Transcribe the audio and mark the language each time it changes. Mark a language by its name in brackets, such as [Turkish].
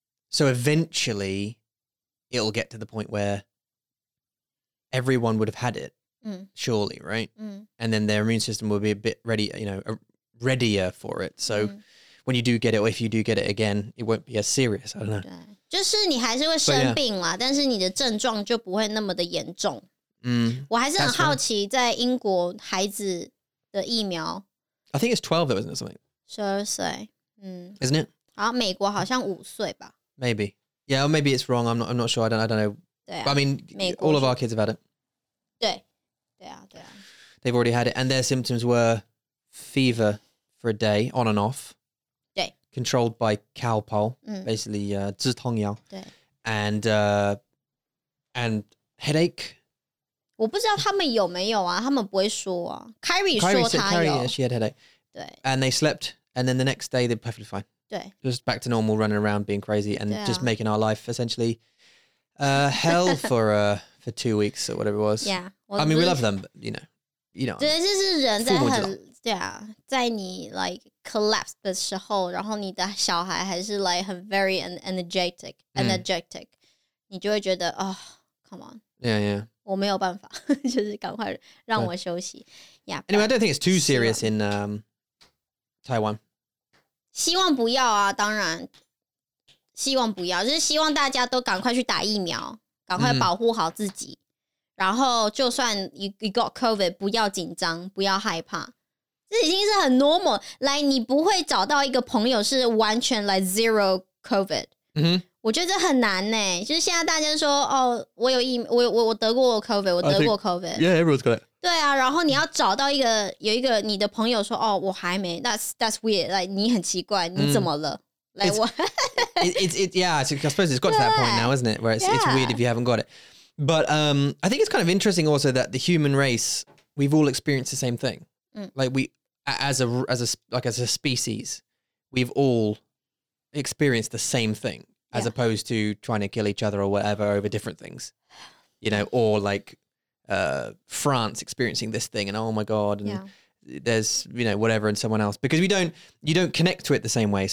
[English] So eventually it'll get to the point where everyone would have had it, surely, right? Mm. And then their immune system will be a bit ready, you know, readier for it. So when you do get it, or if you do get it again, it won't be as serious. I don't know. [Chinese] 就是你还是会生病啦，但是你的症状就不会那么的严重。嗯，我还是很好奇，在英国孩子的疫苗 [English] ，I think it's 12 though, isn't it something? [Chinese] 12岁，嗯 [English] ，isn't it? [Chinese] 好，美国好像5岁吧 [English] ？Maybe, yeah, or maybe it's wrong. I'm not sure. I don't know. [Chinese] 对啊, [English] but I mean, all of our kids have had it. [Chinese] 对啊，对啊。 [English] They've already had it, and their symptoms were fever for a day, on and off. Controlled by cow poll, basically, 止痛药, and headache. [Chinese] 我不知道他们有没有啊，他们不会说啊。 [English] Kyrie said she had headache. And they slept, and then the next day they're perfectly fine. Just back to normal, running around, being crazy, and just making our life essentially hell for 2 weeks or whatever it was. Yeah, I mean, we love them, but you know. [Chinese] 对，就是人在很。对啊，在你 like collapse 的时候，然后你的小孩还是 like 很 [English] very energetic， [Chinese] 你就会觉得啊、 [English] come on， yeah yeah， [Chinese] 我没有办法，就是赶快让我休息。 [English] Yeah， anyway， I don't think it's too serious in Taiwan。 [Chinese] 希望不要啊，当然，希望不要，就是希望大家都赶快去打疫苗，赶快保护好自己。然后就算 [English] you got COVID， [Chinese] 不要紧张，不要害怕。这已经是很 normal， 来，你不会找到一个朋友是完全 like [English] zero COVID。 [Chinese] 嗯，我觉得这很难呢。就是现在大家说，哦，我有疫，我得过 COVID， 我得过 COVID。 [English] Yeah, everyone's got it。 [Chinese] 对啊，然后你要找到一个有一个你的朋友说，哦，我还没。 [English] That's weird， [Chinese] like 你很奇怪，你怎么了？来，我。 [English] It's I suppose it's got to that point now, isn't it? Where it's weird if you haven't got it. But I think it's kind of interesting also that the human race, we've all experienced the same thing. Like we, as a species, we've all experienced the same thing as opposed to trying to kill each other or whatever over different things, you know, or like France experiencing this thing and oh my God, and there's, you know, whatever and someone else, because you don't connect to it the same way.